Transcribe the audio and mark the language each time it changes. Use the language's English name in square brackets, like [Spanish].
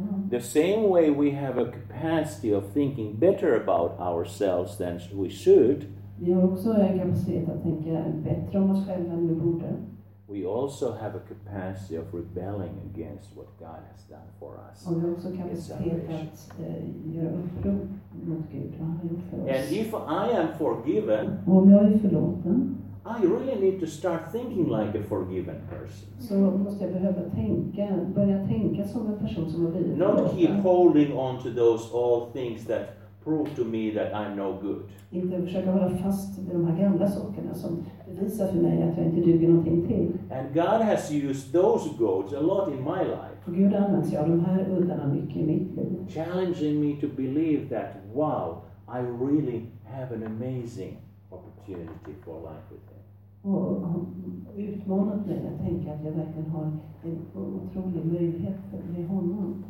[English] the same way we have a capacity of thinking better about ourselves than we should. [Swedish] Vi har också en kapacitet att tänka bättre om oss själva än vi borde. [English] We also have a capacity of rebelling against what God has done for us. [Swedish] Och vi har också kapacitet att göra uppror mot Gud och han har gjort för oss. [English] And if I am forgiven, [Swedish] om jag är förlåten, [English] I really need to start thinking like a forgiven person. [Swedish] Så måste jag behöva tänka, börja tänka som en person som har blivit. [English] Not keep holding on to those old things that prove to me that I'm no good. [Swedish] Inte försöka hålla fast vid de här gamla sakerna som visar för mig att jag inte duger någonting till. [English] And God has used those goats a lot in my life. [Swedish] Och Gud använder sig av de här uddarna mycket i mitt liv. [English] Challenging me to believe that, wow, I really have an amazing opportunity for life with him. [Swedish] Och utmanat mig att tänka att jag verkligen har en otrolig möjlighet med honom.